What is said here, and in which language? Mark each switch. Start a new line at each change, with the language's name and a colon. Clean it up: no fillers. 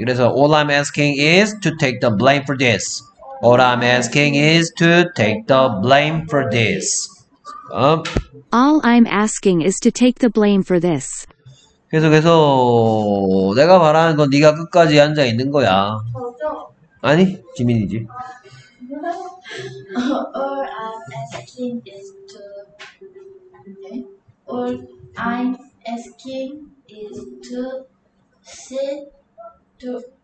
English: 그래서 all I'm asking is to take the blame for this. All I'm asking is to take the blame for this. All I'm asking is to take the blame for this.
Korean: 계속해서 내가 바라는 건 네가 끝까지 앉아 있는 거야. 아니, 지민이지.
English: All I'm asking is to All I'm asking is to sit to